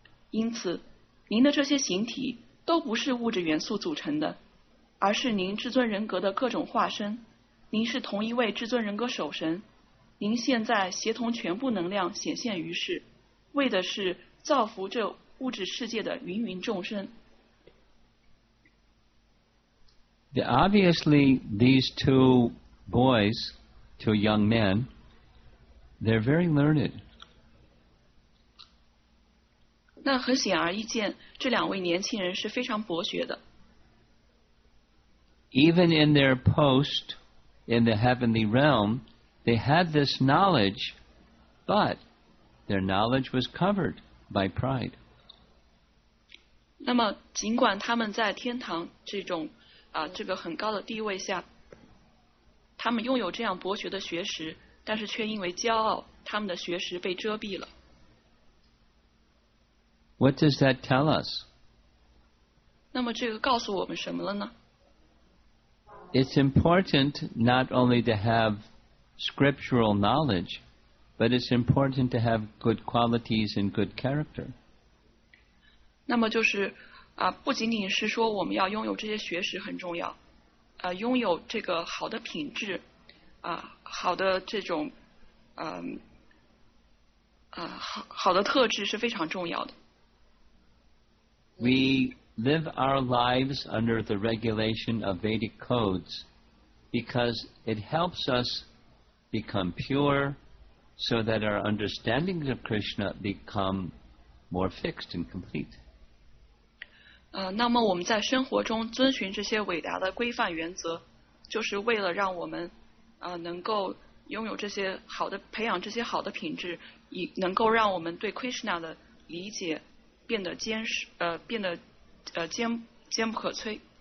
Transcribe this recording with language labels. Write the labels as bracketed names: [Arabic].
[Chinese] 因此，您的这些形体都不是物质元素组成的，而是您至尊人格的各种化身。您是同一位至尊人格守神，您现在协同全部能量显现于世，为的是造福这物质世界的芸芸众生。 [English] Obviously, these two boys, two young men, they're very learned. [Chinese] 那很显而易见，这两位年轻人是非常博学的。 [English] Even in their post in the heavenly realm, they had this knowledge, but their knowledge was covered by pride. [Chinese] 那么，尽管他们在天堂这种这个很高的地位下，他们拥有这样博学的学识，但是却因为骄傲，他们的学识被遮蔽了。 [English] What does that tell us? [Chinese] 那么这个告诉我们什么了呢？ [English] It's important not only to have scriptural knowledge, but it's important to have good qualities and good character. [Chinese] 那么就是不仅仅是说我们要拥有这些学识很重要，拥有这个好的品质，好的这种，好的特质是非常重要的。 [English] We live our lives under the regulation of Vedic codes because it helps us become pure so that our understandings of Krishna become more fixed and complete. [Chinese] 那么我们在生活中遵循这些伟大的规范原则，就是为了让我们能够拥有这些好的，培养这些好的品质，以能够让我们对 Krishna 的理解变得坚实，变得坚不可摧。